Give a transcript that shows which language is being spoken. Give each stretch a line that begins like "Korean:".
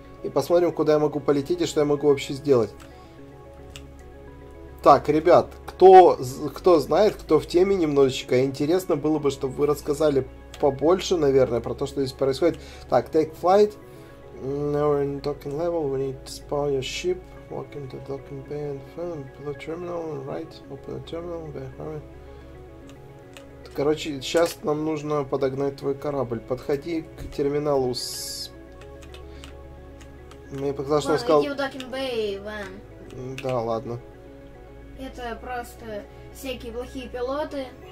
Russian: И посмотрим, куда я могу полететь и что я могу вообще сделать. Так, ребят, кто знает, кто в теме немножечко, интересно было бы, чтобы вы рассказали побольше, наверное, про то, что здесь происходит.
English: Так, take flight. Now we're in docking level. We need to spawn your ship. Walk into docking bay and find the terminal. Right, open the terminal.
Russian: Короче, сейчас нам нужно подогнать твой корабль. Подходи к терминалу с... Мне показалось, что он сказал... Ладно, иди в Docking Bay, Иван. Да, ладно. Это просто всякие плохие пилоты.